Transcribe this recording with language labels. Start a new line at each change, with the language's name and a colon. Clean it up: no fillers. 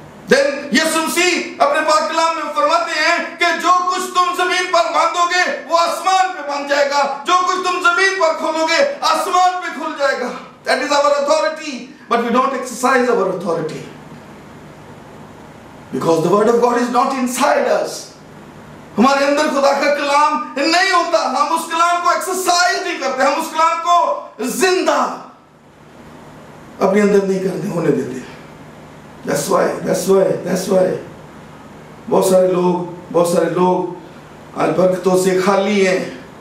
Hindi: Then यीशु मसीह अपने पाक कलाम में फरमाते हैं कि जो कुछ तुम जमीन पर बांधोगे वो आसमान पे बांध जाएगा, जो कुछ तुम जमीन पर खोलोगे आसमान पे खुल जाएगा.
English: That is our authority, but we don't exercise our authority because the word of God is not inside us.
Hindi: हमारे अंदर खुदा का कलाम नहीं होता, हम उस कलाम को exercise नहीं करते, हम उस कलाम को जिंदा अपने अंदर नहीं करते, होने देते.
English: That's why.
Hindi: बहुत सारे लोग आज भक्तों से खाली हैं.